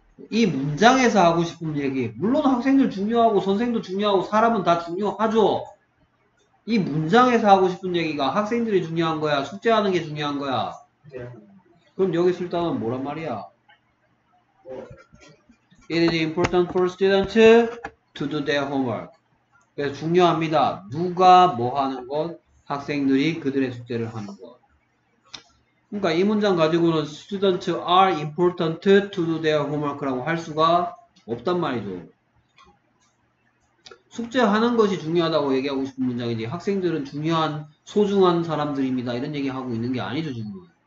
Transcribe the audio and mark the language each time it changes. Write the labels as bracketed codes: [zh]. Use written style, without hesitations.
[ko] 이 문장에서 하고 싶은 얘기. 물론 학생들 중요하고 선생도 중요하고 사람은 다 중요하죠. 이 문장에서 하고 싶은 얘기가 학생들이 중요한 거야? 숙제하는 게 중요한 거야? 그럼 여기 쓸 단어는 뭐란 말이야? [en] It is important for students to do their homework. [ko] 그래서 중요합니다. 누가 뭐 하는 건? 학생들이 그들의 숙제를 하는 것. 그러니까 이 문장 가지고는 [en] students are important to do their homework [ko] 라고 할 수가 없단 말이죠. 숙제하는 것이 중요하다고 얘기하고 싶은 문장이지 학생들은 중요한 소중한 사람들입니다 이런 얘기하고 있는 게 아니죠 지금.